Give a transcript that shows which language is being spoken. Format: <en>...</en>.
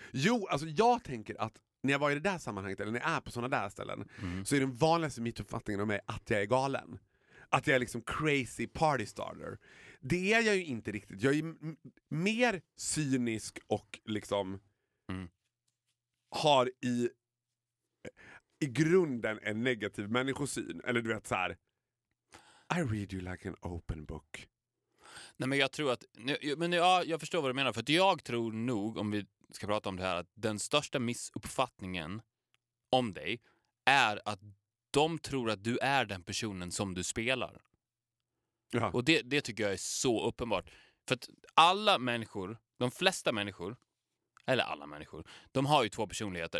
<sv>Jo, alltså jag tänker att när jag var i det där sammanhanget eller när jag är på sådana där ställen så är den vanligaste mittuppfattningen om mig att jag är galen. Att jag är liksom</sv> <en>crazy party starter.</en> <sv>Det är jag ju inte riktigt. Jag är mer cynisk och liksom har i grunden en negativ människosyn. Eller du vet så här.</sv> <en>I read you like an open book.</en> <sv>Nej men jag tror att, men ja, jag förstår vad du menar. För att jag tror nog, om vi ska prata om det här, att den största missuppfattningen om dig är att de tror att du är den personen som du spelar. Jaha. Och det tycker jag är så uppenbart. För att alla människor, de flesta människor, eller alla människor, de har ju två personligheter.</sv>